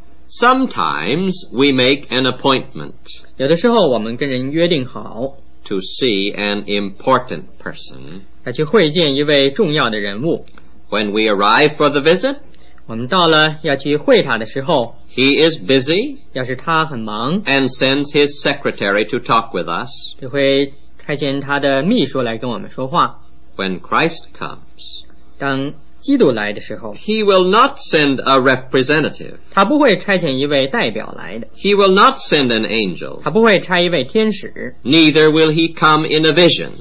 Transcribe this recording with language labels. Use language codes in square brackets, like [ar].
[en] Sometimes we make an appointment， [zh] 有的时候我们跟人约定好， [en] to see an important person， [zh] 要去会见一位重要的人物。 [en] When we arrive for the visit， [zh] 我我们到了要去会他的时候 [en] He is busy [zh] 要是他很忙 [en] And sends his secretary to talk with us [zh] 就会派遣他的秘书来跟我们说话 [en] When Christ comes [zh] 当基督来的时候 [en] He will not send a representative [zh] 他不会派遣一位代表来的 [en] He will not send an angel [zh] 他不会差一位天使 [en] Neither will he come in a vision